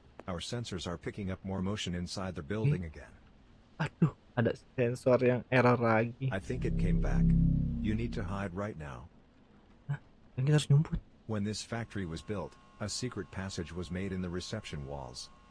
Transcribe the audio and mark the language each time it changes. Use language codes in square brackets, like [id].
[en] Our sensors are picking up more motion inside the building again. [id] Aduh, ada sensor yang error lagi. [en] I think it came back. You need to hide right now. [id] Hah, kita harus nyumput. [en] When this factory was built, a secret passage was made in the reception walls.